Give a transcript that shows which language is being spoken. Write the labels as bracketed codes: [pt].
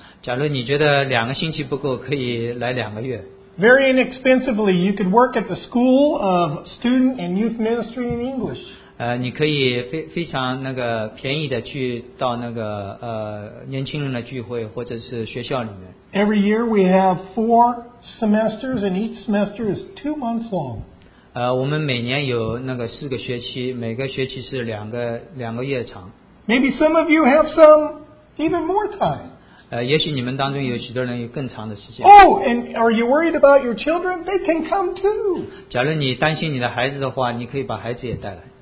[zh] 假如你觉得两个星期不够，可以来两个月。 [en] Very inexpensively, you could work at the School of Student and Youth Ministry in English. [zh] 你可以非常那个便宜的去到那个年轻人的聚会或者是学校里面。 [en] Every year we have 4 semesters and each semester is 2 months long. [zh] 我们每年有那个四个学期，每个学期是两个月长。 [en] Maybe some of you have some even more time. [zh] 也许你们当中有许多人有更长的时间。 [en] Oh, and are you worried about your children? They can come too. [zh] 假如你担心你的孩子的话，你可以把孩子也带来。